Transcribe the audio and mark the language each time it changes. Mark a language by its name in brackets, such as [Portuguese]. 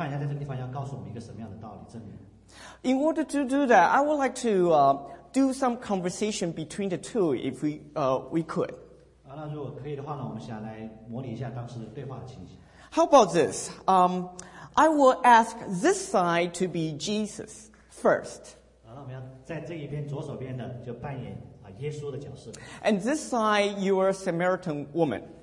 [Chinese] 那我们来一起来看看，约翰他在这个地方要告诉我们一个什么样的道理，证明。 [English] In order to do that, I would like to do some conversation between the two, if we could. [Chinese] 那如果可以的话呢，我们想来模拟一下当时的对话情形。 [English] How about this? I will ask this side to be Jesus first. [Chinese] 那我们要在这一边左手边的就扮演 [English] And this side, you are a Samaritan woman.